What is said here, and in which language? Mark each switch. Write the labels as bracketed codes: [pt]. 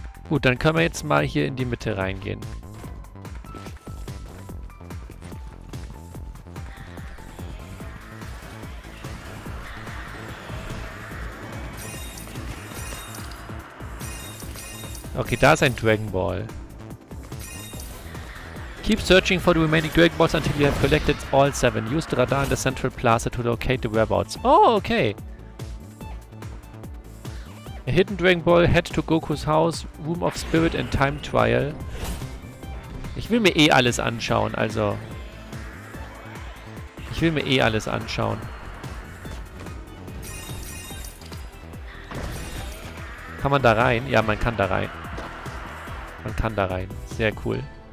[de] Gut, dann können wir jetzt mal hier in die Mitte reingehen. Okay, da ist ein Dragon Ball. [en] Keep searching for the remaining Dragon Balls until you have collected all 7. Use the radar in the central plaza to locate the whereabouts. Oh, okay. A hidden Dragon Ball, head to Goku's house, room of spirit and time trial. [de] Ich will mir eh alles anschauen, also. Ich will mir eh alles anschauen. Kann man da rein? Ja, man kann da rein. Man kann da rein. Sehr cool.